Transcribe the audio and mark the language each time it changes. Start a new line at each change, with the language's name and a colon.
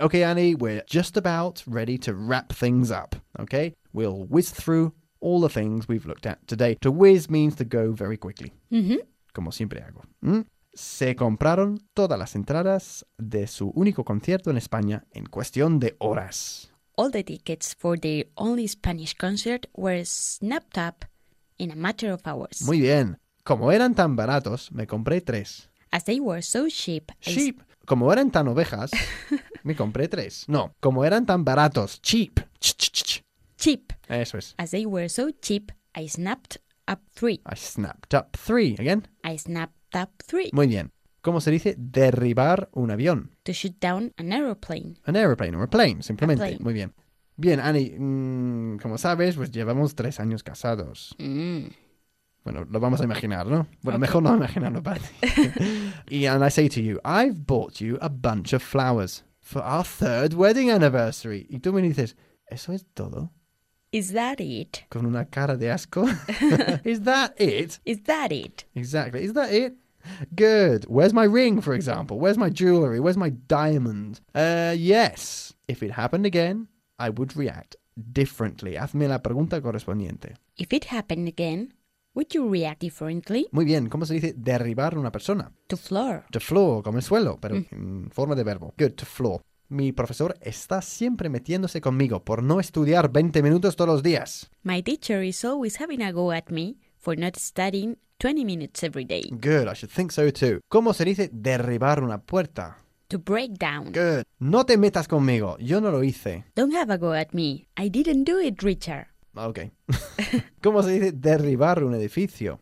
English: Okay, Annie, we're just about ready to wrap things up. Okay, we'll whiz through all the things we've looked at today. To whiz means to go very quickly. Mm-hmm.
Spanish: Como siempre hago. ¿Mm? Se compraron todas las entradas de su único concierto en España en cuestión de horas.
English: All the tickets for their only Spanish concert were snapped up in a matter of hours.
Spanish: Muy bien. Como eran tan baratos, me compré tres.
English: As they were so cheap. Cheap.
Spanish: Como eran tan ovejas, me compré tres. No, como eran tan baratos.
English: Cheap. Ch-ch-ch-ch. Cheap.
Spanish: Eso es.
English: As they were so cheap, I snapped up three. I snapped up three. Again. I snapped up three.
Spanish: Muy bien. ¿Cómo se dice derribar un avión?
English: To shoot down an aeroplane. An aeroplane or a plane, simplemente. A plane.
Spanish: Muy bien. Bien, Annie, como sabes, pues llevamos 3 años casados. Mm. Bueno, lo vamos a imaginar, ¿no? Bueno, okay. Mejor no imaginarlo, Patty.
English: And I say to you, I've bought you a bunch of flowers for our 3rd wedding anniversary.
Spanish: Y tú me dices, ¿eso es todo?
English: Is that it?
Spanish: Con una cara de asco.
English: Is that it? Is that it? Exactly. Is that it? Good. Where's my ring, for example? Where's my jewelry? Where's my diamond? Yes. If it happened again, I would react differently.
Spanish: Hazme la pregunta correspondiente.
English: If it happened again, would you react differently?
Spanish: Muy bien. ¿Cómo se dice derribar una persona?
English: To floor. To floor,
Spanish: como el suelo, pero en forma de verbo.
English: Good, to floor.
Spanish: Mi profesor está siempre metiéndose conmigo por no estudiar 20 minutos todos los días.
English: My teacher is always having a go at me for not studying 20 minutes every day. Good, I should think so too.
Spanish: ¿Cómo se dice derribar una puerta?
English: To break down. Good.
Spanish: No te metas conmigo, yo no lo hice.
English: Don't have a go at me. I didn't do it, Richard. Okay.
Spanish: ¿Cómo se dice derribar un edificio?